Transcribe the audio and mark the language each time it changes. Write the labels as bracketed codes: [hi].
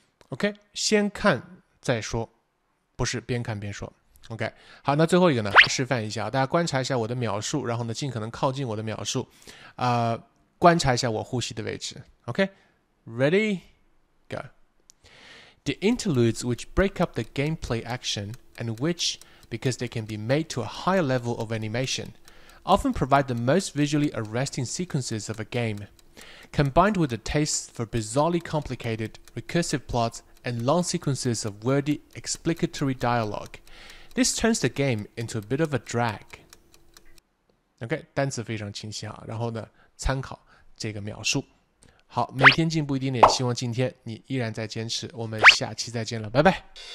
[zh] OK, 先看再说，不是边看边说。 OK, 好，那最后一个呢，示范一下，大家观察一下我的秒数，然后呢，尽可能靠近我的秒数，观察一下我呼吸的位置。 [en] OK, ready, go. The interludes which break up the gameplay action and which, because they can be made to a higher level of animation, often provide the most visually arresting sequences of a game. Combined with a taste for bizarrely complicated recursive plots and long sequences of wordy explicatory dialogue, this turns the game into a bit of a drag. [zh] OK, 单词非常清晰啊，然后呢，参考这个描述。好，每天进步一点点，希望今天你依然在坚持。我们下期再见了，拜拜。